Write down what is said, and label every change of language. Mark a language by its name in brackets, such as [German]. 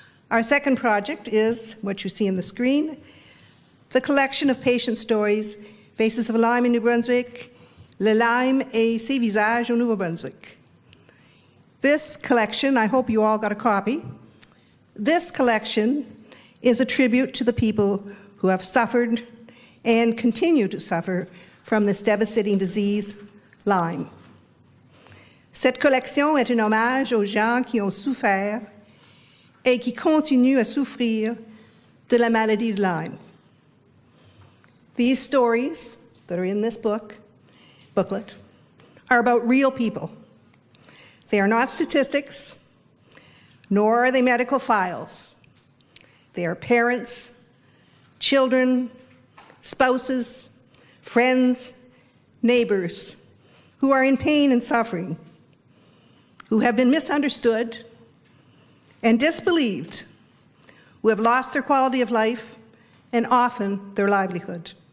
[English] Our second project is, what you see on the screen, the collection of patient stories, Faces of Lyme in New Brunswick, [French] Le Lyme et ses visages au Nouveau Brunswick. [English] This collection, I hope you all got a copy, this collection is a tribute to the people who have suffered and continue to suffer from this devastating disease, Lyme. [French] Cette collection est un hommage aux gens qui ont souffert et qui continuent à souffrir de la maladie de Lyme. [English] These stories that are in this booklet are about real people. They are not statistics, nor are they medical files. They are parents, children, spouses, friends, neighbors who are in pain and suffering, who have been misunderstood and disbelieved, who have lost their quality of life and often their livelihood.